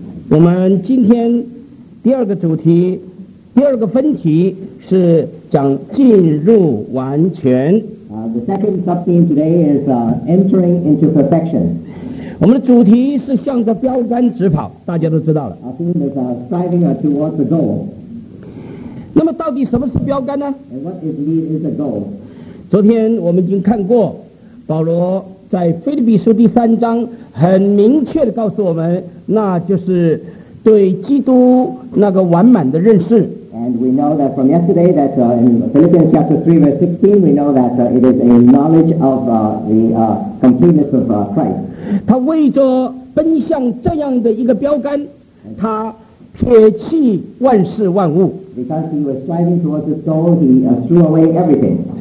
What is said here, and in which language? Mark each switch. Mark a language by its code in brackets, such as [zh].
[zh] 我们今天第二个主题，第二个分题是讲进入完全。 [en] The second sub-theme today is entering into perfection. [zh] 我们的主题是向着标杆直跑，大家都知道了。 [en] Our theme is striving towards the goal. [zh] 那么到底什么是标杆呢？ [en] And what is lead is the goal. [zh] 昨天我们已经看过，保罗在腓立比书第三章很明确地告诉我们，那就是对基督那个完满的认识。 [en] And we know that from yesterday that in Philippians chapter 3 verse 16 we know that it is a knowledge of the completeness of Christ. [zh] 他为着奔向这样的一个标杆，他撇弃万事万物。 [en] Because he was striving towards his goal, he threw away everything.